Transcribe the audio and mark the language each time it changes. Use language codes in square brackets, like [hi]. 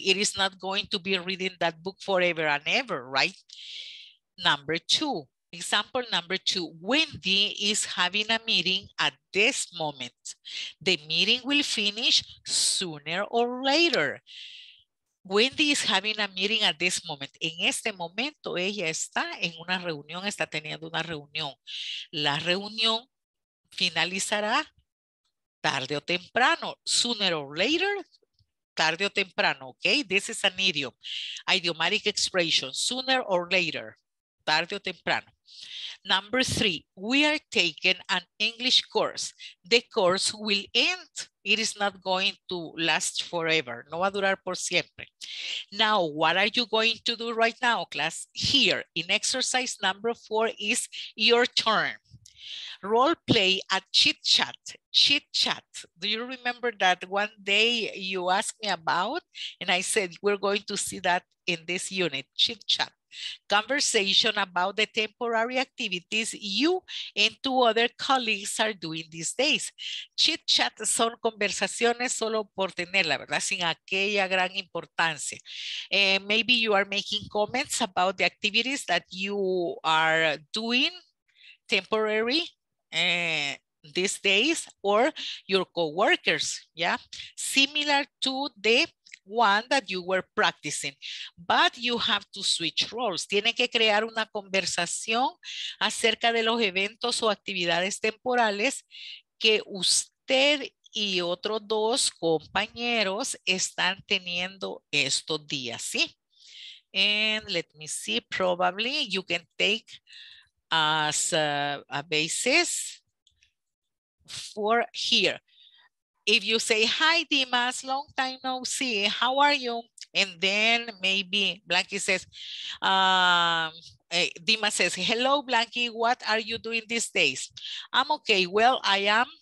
[en] It is not going to be reading that book forever and ever, right? Number two. Example number two, Wendy is having a meeting at this moment. The meeting will finish sooner or later. Wendy is having a meeting at this moment. [es] En este momento, ella está en una reunión, está teniendo una reunión. La reunión finalizará tarde o temprano, [en] sooner or later, [es] tarde o temprano, okay? [en] This is an idiom, idiomatic expression, sooner or later, [es] tarde o temprano. [en] Number three, we are taking an English course. The course will end. It is not going to last forever. [es] No va a durar por siempre. [en] Now, what are you going to do right now, class? Here, in exercise number four is your turn. Role play a chit chat. Chit chat. Do you remember that one day you asked me about? And I said, we're going to see that in this unit, chit chat. Conversation about the temporary activities you and two other colleagues are doing these days. [es] Chit chat son conversaciones solo por tenerla, ¿verdad? Sin aquella gran importancia. [en] Maybe you are making comments about the activities that you are doing temporary these days, or your co-workers, yeah? Similar to the one that you were practicing, but you have to switch roles. [es] Tiene que crear una conversación acerca de los eventos o actividades temporales que usted y otros dos compañeros están teniendo estos días, ¿sí? [en] And let me see, probably you can take as a basis for here. If you say, hi, Dimas, long time no see, how are you? And then maybe Blanky says, Dimas says, hello, Blanky, what are you doing these days? I'm okay. Well, I am